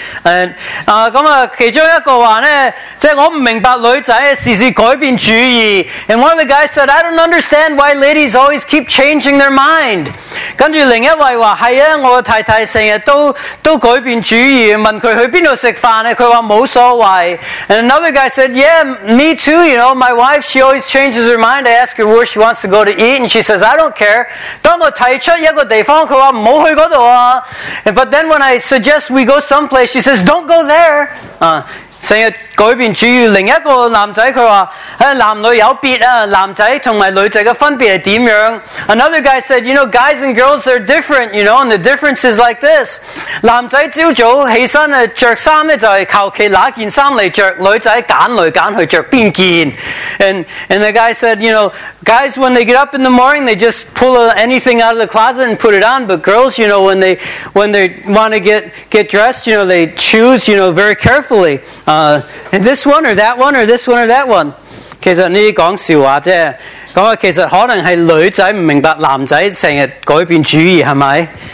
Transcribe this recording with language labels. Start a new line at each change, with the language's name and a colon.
Cantonese: And 咁啊，其中一个话咧，即系我唔明白女仔时时改变主意。
English: And one of the guys said, "I don't understand why ladies always keep changing their mind."
Cantonese: 跟住另一位话系啊，我太太成日都改变主意，问佢去边度食饭咧，佢话冇所。
English: And another guy said, "Yeah, me too. You know, my wife, she always changes her mind. I ask her where she wants to go to eat, and she says, 'I don't care.'"
Cantonese: 当我提出一个地方，佢话唔好去嗰度啊。
English: But then when I suggest we go someplace, she says, "Don't go there."、
Cantonese: 成日改变主意。另一个男仔佢话：，男女有别啊，男仔同埋女仔嘅分别系点样 ？
English: Another guy said, you know, guys and girls are different, you know, and the difference is like this.
Cantonese: 男仔朝早起身啊，着衫咧就系求其拿件衫嚟着，女仔拣嚟拣去着边件。
English: And the guy said, you know, guys when they get up in the morning, they just pull anything out of the closet and put it on. But girls, you know, when they want to get dressed, you know, they choose, you know, very carefully. And this one or that one or this one or that one.
Cantonese: 其实呢啲讲笑话啫，咁啊，其实可能系女仔唔明白男仔成日改变主意，系咪？